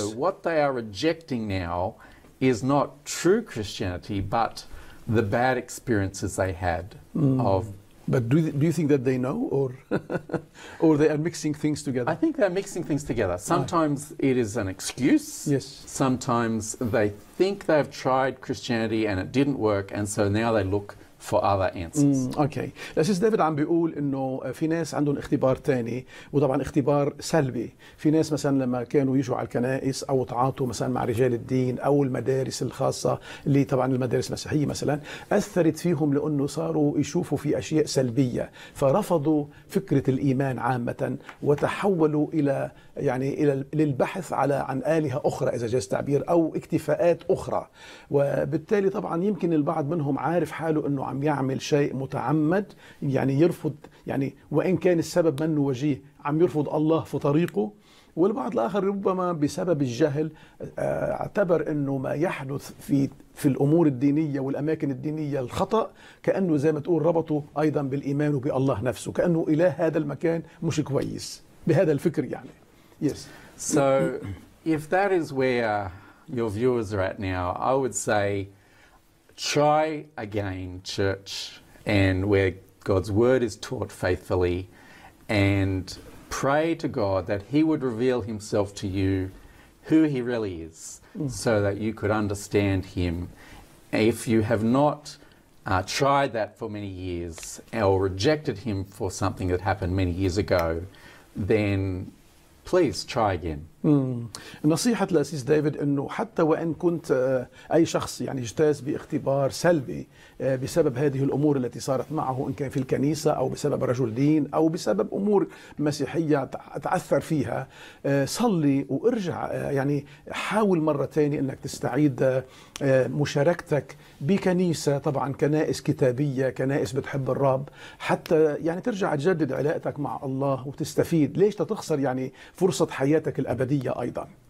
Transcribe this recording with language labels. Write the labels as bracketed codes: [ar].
[en] So what they are rejecting now is not true Christianity, but the bad experiences they had of But do you think that they know or or they are mixing things together? I think they're mixing things together. Sometimes it is an excuse. Yes. Sometimes they think they've tried Christianity and it didn't work and so now they look for other answers. Okay. [ar] الأسيس ديفيد عم بيقول إنه في ناس عندهم اختبار تاني وطبعا اختبار سلبي. في ناس مثلا لما كانوا يجوا على الكنائس أو تعاطوا مثلا مع رجال الدين أو المدارس الخاصة اللي طبعا المدارس المسيحية مثلا أثرت فيهم لأنه صاروا يشوفوا في أشياء سلبية فرفضوا فكرة الإيمان عامة وتحولوا إلى يعني إلى للبحث على عن آلهة أخرى إذا جاز تعبير أو اكتفاءات أخرى وبالتالي طبعا يمكن البعض منهم عارف حاله إنه عم يعمل شيء متعمد يعني يرفض يعني وإن كان السبب منه وجيه عم يرفض الله في طريقه والبعض الآخر ربما بسبب الجهل اعتبر إنه ما يحدث في الأمور الدينية والأماكن الدينية الخطأ كأنه زي ما تقول ربطه أيضا بالإيمان وبالله نفسه كأنه إله هذا المكان مش كويس بهذا الفكر يعني. [en] Yes. So if that is where your viewers are at now, I would say try again, church, and where God's word is taught faithfully, and pray to God that he would reveal himself to you who he really is, so that you could understand him. If you have not tried that for many years or rejected him for something that happened many years ago, then please try again. [ar] نصيحة لأسيس ديفيد أنه حتى وإن كنت أي شخص يعني اجتاز باختبار سلبي بسبب هذه الأمور التي صارت معه إن كان في الكنيسة أو بسبب رجل دين أو بسبب أمور مسيحية تعثر فيها صلي وارجع يعني حاول مرة تانية أنك تستعيد مشاركتك بكنيسة طبعا كنائس كتابية كنائس بتحب الرب حتى يعني ترجع تجدد علاقتك مع الله وتستفيد ليش تتخسر يعني فرصة حياتك الأبدية أيضا.